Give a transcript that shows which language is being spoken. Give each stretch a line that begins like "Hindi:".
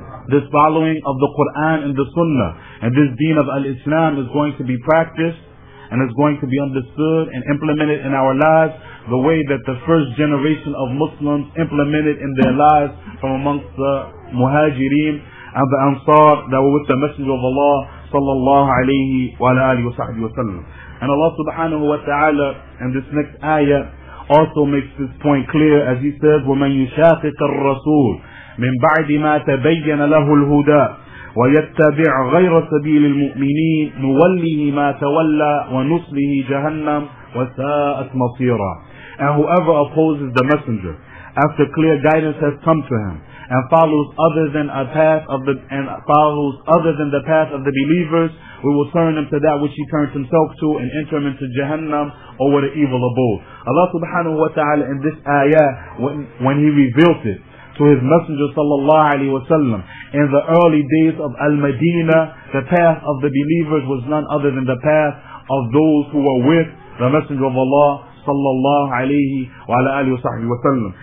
English: this following of the Quran and the Sunnah and this deen of al-Islam is going to be practiced and is going to be understood and implemented in our lives the way that the first generation of Muslims implemented in their lives from amongst the Muhajireen and the Ansar that were with the Messenger of Allah sallallahu alayhi wa alayhi wa sahbihi wa sallam. And Allah subhanahu wa ta'ala in this next ayah also makes this point clear as he says,
Arabic: وَمَنْ يُشَاقِقَ الرَّسُولِ مِنْ بَعْدِ مَا تَبَيَّنَ لَهُ الْهُدَى وَيَتَّبِعْ غَيْرَ سَبِيلِ الْمُؤْمِنِينَ نُوَلِّهِ مَا تَوَلَّى وَنُصْلِهِ جَهَنَّمْ وَسَاءَتْ مَصِيرًا.
English: And whoever opposes the messenger after clear guidance has come to him and follows other than a path of the and follows other than the path of the believers, we will turn him to that which he turns himself to and enter him into Jahannam or what an evil abode. Allah subhanahu wa ta'ala in this ayah when he revealed it to his messenger sallallahu alayhi wa sallam in the early days of Al-Madinah, the path of the believers was none other than the path of those who were with the Messenger of Allah sallallahu alayhi wa alayhi wa sahbihi wa sallam.